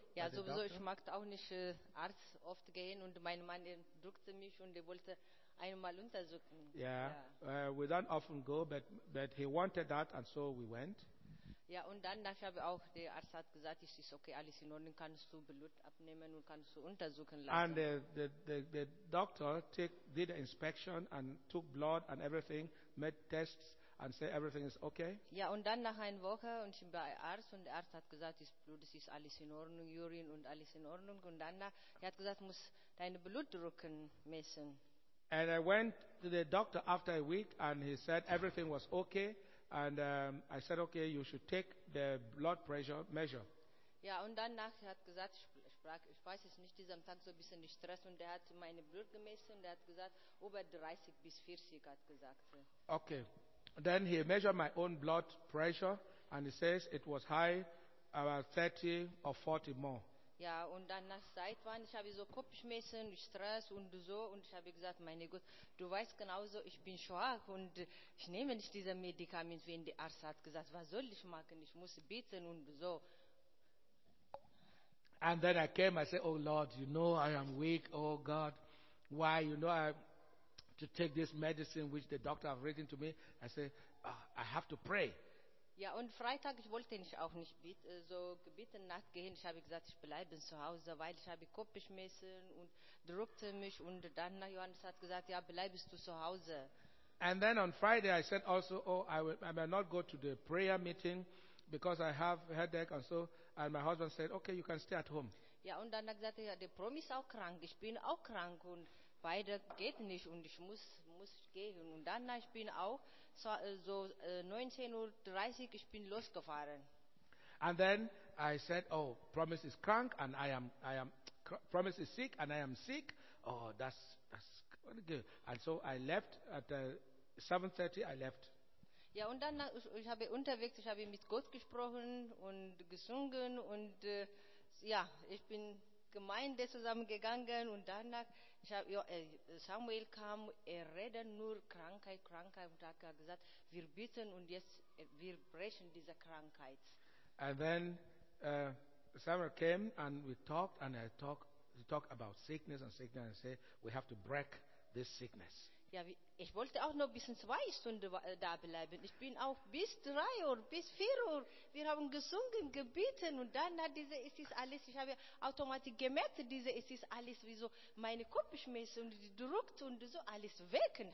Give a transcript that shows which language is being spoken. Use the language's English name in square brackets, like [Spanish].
[German] Ja, sowieso, ich mag auch nicht Arzt oft gehen, und mein Mann drückte mich und er wollte einmal untersuchen. [English] Yeah, we don't often go, but he wanted that, and so we went. [German] Ja, und dann ich habe auch der Arzt hat gesagt, es ist okay, alles in Ordnung, kannst du Blut abnehmen und kannst du untersuchen lassen. [English] And the doctor did the inspection and took blood and everything, made tests and said everything is okay. [German] Ja, und dann nach einer Woche und ich bin bei Arzt und der Arzt hat gesagt, das Blut, es ist alles in Ordnung, Urin und alles in Ordnung. Und dann er hat gesagt, muss deine Blutdruck messen. [English] And I went to the doctor after a week and he said everything was okay. And I said, okay, you should take the blood pressure measure. [German] Ja, und danach hat gesagt, ich weiß es nicht, diesem Tag so ein bisschen Stress, und er hat meine Blut gemessen, und er hat gesagt, über 30 bis 40, hat gesagt. [English] Okay. Then he measured my own blood pressure, and he says it was high, about 30 or 40 more. [German] Ja, und dann nach Zeit waren, ich habe so Kopfschmerzen, Stress und so, und ich habe gesagt, meine Gott, du weißt genauso, ich bin schwach und ich nehme nicht diese Medikamente, wie der Arzt hat gesagt, was soll ich machen, ich muss beten und so. [English] And then I came, I said, oh Lord, you know I am weak, oh God, why, you know I to take this medicine which the doctor have written to me, I said, I have to pray. [German] Ja, und Freitag, ich wollte nicht auch nicht so gebeten nachgehen. Ich habe gesagt, ich bleibe zu Hause, weil ich habe Kopfschmerzen und drückte mich. Und dann Johannes hat gesagt, ja, bleibst du zu Hause. [English] And then on Friday I said also, oh, I will not go to the prayer meeting because I have headache and so. And my husband said, okay, you can stay at home. [German] Ja, und dann hat gesagt, ja, der Promi ist auch krank. Ich bin auch krank und beide geht nicht und ich muss gehen. Und dann, ich bin auch so 19.30 Uhr, ich bin losgefahren. [English] And then I said, oh, Promise is crank and I am, Promise is sick and I am sick. Oh, that's good. And so I left at 7.30, I left. [German] Ja, und dann, ich habe unterwegs, ich habe mit Gott gesprochen und gesungen und ja, ich bin Gemeinde zusammengegangen und danach Samuel kam, er redet nur Krankheit und hat gesagt, wir bitten und jetzt wir brechen diese Krankheit. [English] And then Samuel came and we talked and I talked about sickness and say we have to break this sickness. [German] Ja, ich wollte auch noch bis 2 Stunden da bleiben. Ich bin auch bis 3 Uhr, bis 4 Uhr. Wir haben gesungen, gebeten und dann hat diese, es ist alles, ich habe automatisch gemerkt, diese, es ist alles wie so, meine Kopfschmerzen und die drückt und so, alles weg.